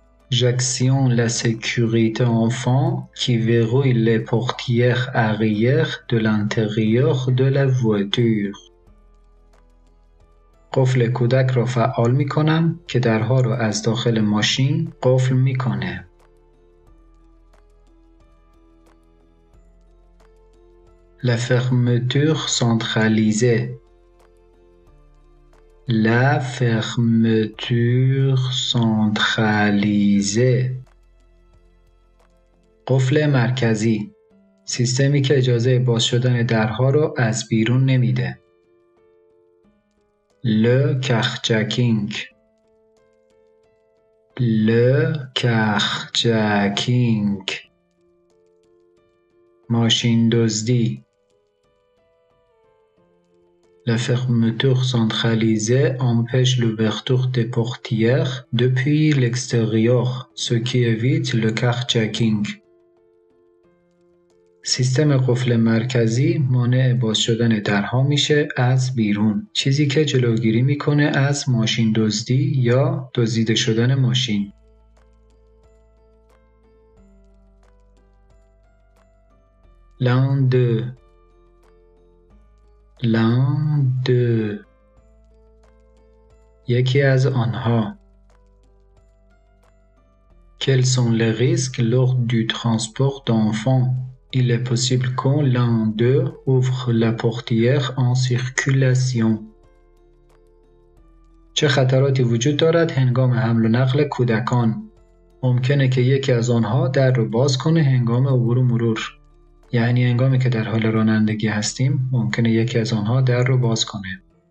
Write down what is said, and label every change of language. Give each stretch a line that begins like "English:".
French: J'actionne la sécurité enfant qui verrouille les portières arrière de l'intérieur de la voiture.
Persian: قفل کودک را فعال می کنم که درها را از داخل ماشین قفل می کنه.
French: La fermeture centralisée. La fermeture centralisée.
Persian: قفل مرکزی. سیستمی که اجازه باز شدن درها را از بیرون نمیده.
French: Le carjacking.
Persian: ماشین دزدی.
French: La fermeture centralisée empêche l'ouverture des portières depuis l'extérieur, ce qui évite le carjacking.
Persian: سیستم قفل مرکزی مانع باز شدن درها میشه از بیرون، چیزی که جلوگیری میکنه از ماشین دزدی یا دزدیده شدن ماشین.
French: L'un de
Persian: یکی از آنها.
French: Quels sont les risques lors du transport d'enfants? Il est possible quand l'un d'eux ouvre la portière en circulation.
Persian: چه خطراتی وجود دارد هنگام حمل و نقل کودکان؟ ممکنه که یکی از آنها در رو باز کنه هنگام عبور و مرور. یعنی هنگامی که در حال رانندگی هستیم، ممکنه یکی از آنها در رو باز کنه.